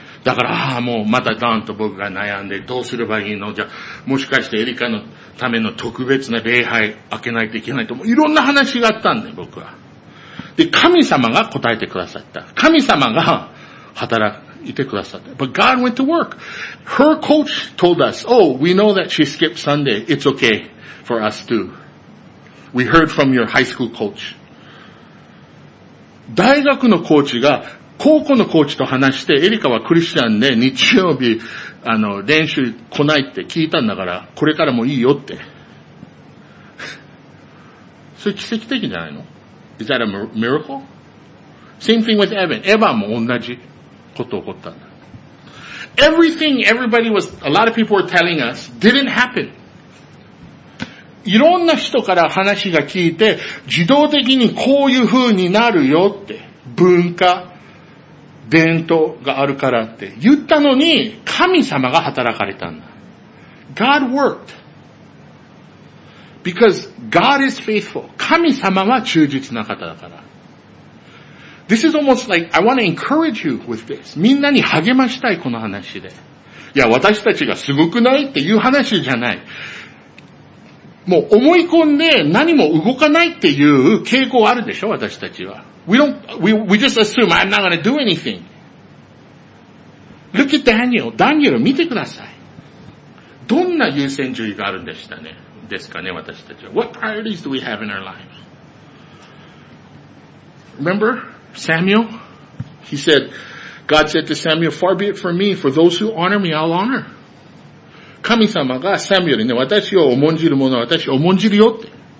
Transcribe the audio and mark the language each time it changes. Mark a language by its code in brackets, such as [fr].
[ja] だから、ああ、もうまたダンと僕が悩んで、どうすればいいの？じゃあ、もしかしてエリカのための特別な礼拝開けないといけないと、もういろんな話があったんで、僕は。で、神様が答えてくださった。神様が働いてくださった。 [en] But God went to work. Her coach told us, oh, we know that she skipped Sunday. It's okay for us too. We heard from your high school coach. [ja] 大学のコーチが、高校のコーチと話して、エリカはクリスチャンで日曜日、練習来ないって聞いたんだから、これからもいいよって。それ奇跡的じゃないの？ [en] Is that a miracle? Same thing with Evan. Evan [ja] も同じこと起こったんだ。 [en] Everything everybody was, a lot of people were telling us didn't happen. [ja] いろんな人から話が聞いて、自動的にこういう風になるよって、文化、伝統があるからって言ったのに神様が働かれたんだ。 [en] God worked. Because God is faithful. [ja] 神様は忠実な方だから。 [en] This is almost like, I want to encourage you with this. [ja] みんなに励ましたいこの話で。いや、私たちがすごくないっていう話じゃない。もう思い込んで何も動かないっていう傾向あるでしょ、私たちは。 [en] We just assume I'm not going to do anything. Look at Daniel. Daniel, [ja] 見てください。どんな優先順位があるんでしたね、ですかね、私たちは。 [en] What priorities do we have in our lives? Remember Samuel? He said, God said to Samuel, far be it from me, for those who honor me, I'll honor. [ja] 神様がサミュエルにね、私を重んじる者は私を重んじるよって。